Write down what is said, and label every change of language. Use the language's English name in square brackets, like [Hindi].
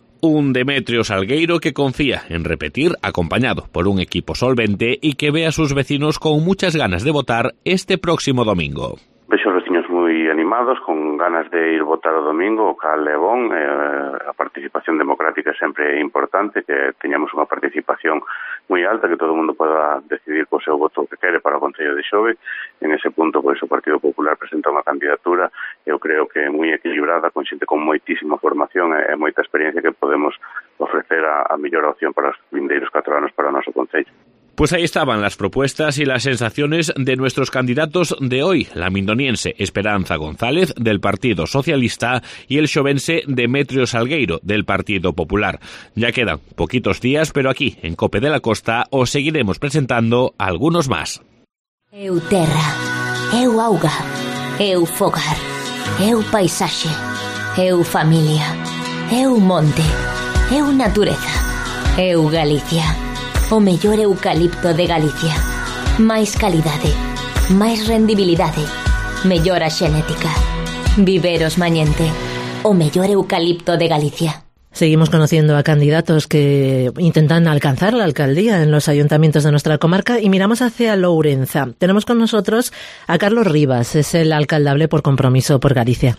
[Spanish] un Demetrio Salgueiro que confía en repetir acompañado por un equipo solvente y que ve a sus vecinos con muchas ganas de votar este próximo domingo. Veo a los niños muy animados, con ganas de ir [Galician] votar o domingo, o cal é bon. A participación democrática é sempre importante, que teñamos unha participación moi alta, que todo o mundo poda decidir co seu voto que quere para o Concello de Xove. En ese punto, pois, o Partido Popular presenta unha candidatura, eu creo que moi equilibrada, con xente con moitísima formación e moita experiencia, que podemos ofrecer a mellor opción para os vindeiros 4 anos para o noso Concello. [Spanish] Pues ahí estaban las propuestas y las sensaciones de nuestros candidatos de hoy, la mindoniense Esperanza González, del Partido Socialista, y el xovense Demetrio Salgueiro, del Partido Popular. Ya quedan poquitos días, pero aquí, en Cope de la Costa, os seguiremos presentando algunos más. [Galician] Eu terra, eu auga, eu fogar, eu paisaxe, eu familia, eu monte, eu natureza, eu Galicia. O mellor eucalipto de Galicia. Máis calidade, máis rendibilidade, mellora xenética. Viveros Mañente, o mellor eucalipto de Galicia. [Spanish] Seguimos conociendo a candidatos que intentan alcanzar la alcaldía en los ayuntamientos de nuestra comarca y miramos hacia Lourenza. Tenemos con nosotros a Carlos Rivas, es el alcaldable por Compromiso por Galicia.